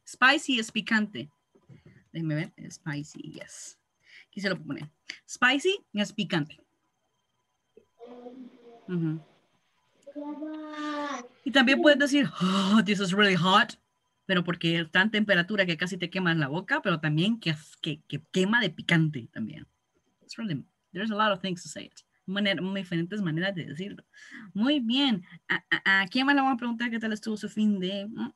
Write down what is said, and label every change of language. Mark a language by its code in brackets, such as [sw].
[es] Spicy es picante. Déjame ver. Spicy, yes. Aquí se lo puedo poner. Spicy es picante. [en] Uh-huh. [es] Y también puedes decir, [en] oh, this is really hot. [es] Pero porque está en temperatura que casi te quema en la boca, pero también que quema de picante también. [en] It's really, there's a lot of things to say it. [es] Muy diferentes maneras de decirlo. Muy bien. ¿A quién más le vamos a preguntar qué tal estuvo su fin de?